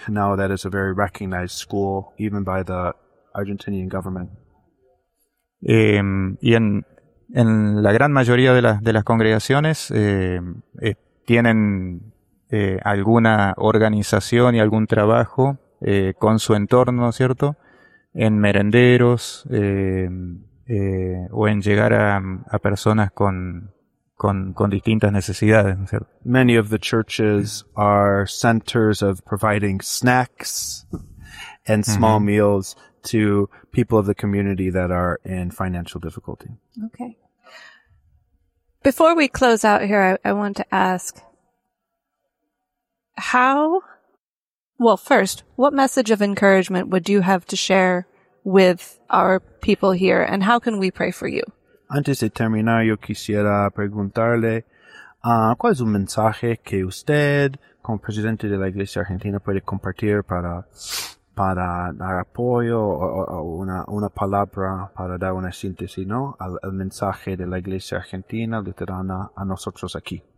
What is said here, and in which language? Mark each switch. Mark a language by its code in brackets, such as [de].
[en] Now that is a very recognized school, even by the Argentinian government. [es] Y en la gran mayoría de las congregaciones tienen alguna organización y algún trabajo con su entorno, ¿cierto? En merenderos o en llegar a personas con distintas necesidades, ¿no es cierto? [en] Many of the churches are centers of providing snacks and small uh-huh. meals to people of the community that are in financial difficulty. Okay. Before we close out here, I want to ask first, what message of encouragement would you have to share with our people here, and how can we pray for you? [es] Antes de terminar, yo quisiera preguntarle ¿cuál es un mensaje que usted, como presidente de la Iglesia Argentina, puede compartir para dar apoyo o una palabra para dar una síntesis, ¿no? Al mensaje de la Iglesia Argentina Luterana a nosotros aquí.